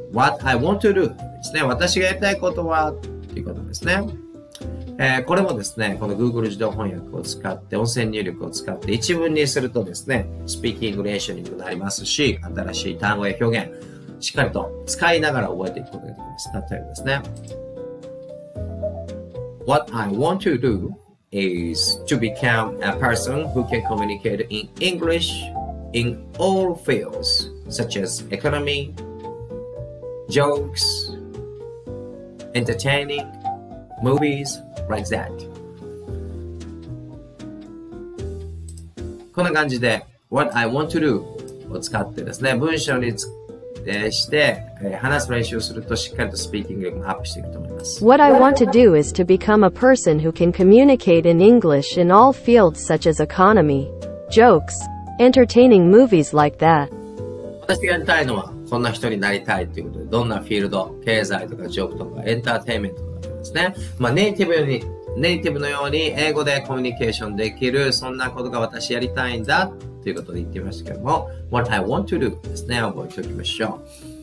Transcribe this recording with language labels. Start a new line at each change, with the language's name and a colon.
English: What I want to do
Japanese: ですね、私がやりたいことはということですね。これもですね、この Google 自動翻訳を使って、音声入力を使って一文にするとですね、スピーキング練習にもなりますし、新しい単語や表現、しっかりと使いながら覚えていくことができます。例えばですね、
English: What I want to do is to become a person who can communicate in English in all fields, such as economy, jokes, entertaining, movies,Like that.
Japanese: こんな感じで
English: What I want to do
Japanese: を使ってですね、文章にして話す練習をするとしっかりとスピーキング力もアップしていくと思います。
English: What I want to do is to become a person who can communicate in English in all fields such as economy, jokes, entertaining movies like that.
Japanese: 私がやりたいのはこんな人になりたいということで、どんなフィールド、経済とかジョークとかエンターテインメントですね、まあ、ネイティブのように英語でコミュニケーションできる、そんなことが私やりたいんだということで言ってましたけども、
English: What I want to do
Japanese: ですね、覚えておきましょう。